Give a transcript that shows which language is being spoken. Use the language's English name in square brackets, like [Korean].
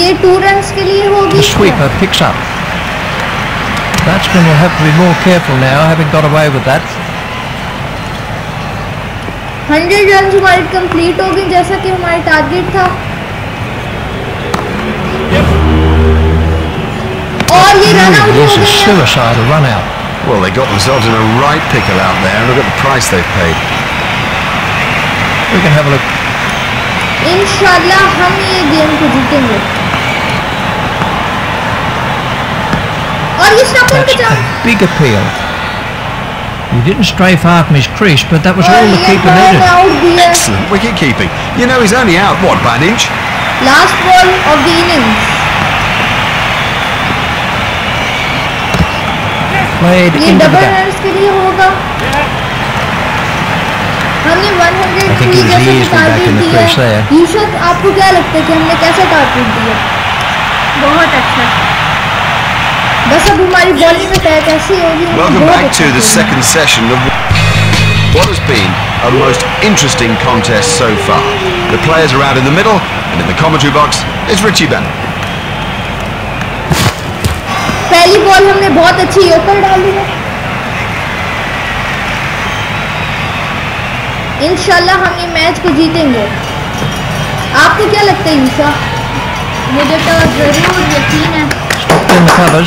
[Hindi] ये 2 रन्स के लिए होगी। [English] The sweeper picks up, batsman will have to be more careful now having got away with that. [Hindi] 100 runs हमारे complete हो गए जैसा कि हमारा टारगेट था। [English] This is suicide, a run out. Well, they got themselves in a right pickle out there. Look at the price they've paid. We can have a look. [Hindi] Inshallah, hum ye game ko jeetenge. Aur ye stump ka jump. [English] Big appeal. He didn't stray far from his crease, but that was all the keeper needed. Excellent wicket keeping. You know, he's only out, what, by an inch? Last ball of the innings. [Hindi] ये double runs के लिए होगा। हमने 103 जैसा target दिया। यूसुफ, आपको क्या लगता है कि हमने कैसा टारगेट दिया? बहुत अच्छा। बस अब हमारी बॉलिंग में तय कैसी होगी? [English] Welcome back to the second session of what has been a most interesting contest so far. The players are out in the middle, and in the commentary box is Richie Bennett. [Hindi] पहली ball हमने बहुत अच्छी open डाल दी है। इंशाल्लाह हम ये match को जीतेंगे। आपको क्या लगता है यूसा? मुझे तो जरूर यकीन है।